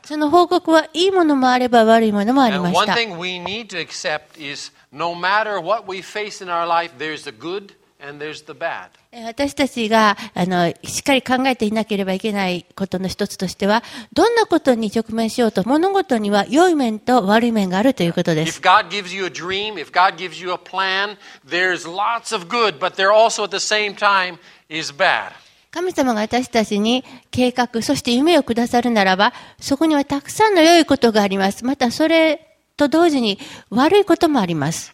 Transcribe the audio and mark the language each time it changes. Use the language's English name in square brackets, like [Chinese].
[Japanese] その報告はいいものもあれば悪いものもありました。 [English] And one thing we need to accept is no matter what we face in our life, there's the good and there's the bad. [Japanese] 私たちがしっかり考えていなければいけないことの一つとしては、どんなことに直面しようと物事には良い面と悪い面があるということです。 [English] If God gives you a dream, if God gives you a plan, there's lots of good, but there also at the same time is bad. [Japanese] 神様が私たちに計画、そして夢をくださるならば、そこにはたくさんの良いことがあります。またそれと同時に悪いこともあります。